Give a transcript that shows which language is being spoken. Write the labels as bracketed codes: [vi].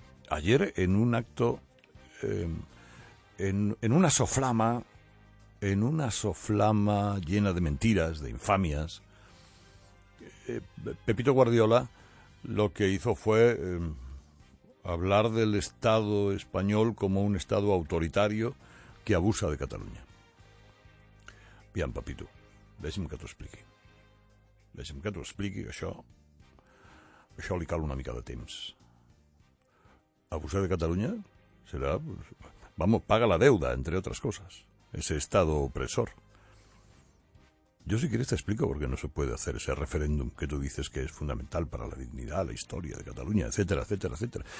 [es] Ayer, en un acto, en una soflama llena de mentiras, de infamias, Pepito Guardiola lo que hizo fue hablar del Estado español como un Estado autoritario que abusa de Cataluña. Bien, papito, [ca] deixa'm que t'ho expliqui. Deixa'm que t'ho expliqui, això. Això li cal una mica de temps. [es] Abusar de Catalunya serà, pues, vamos, paga la deuda, entre otras cosas. Ese Estado opresor. Yo, si quieres, te explico por qué no se puede hacer ese referéndum que tú dices que es fundamental para la dignidad, la historia de Cataluña, etcétera, etcétera, etcétera.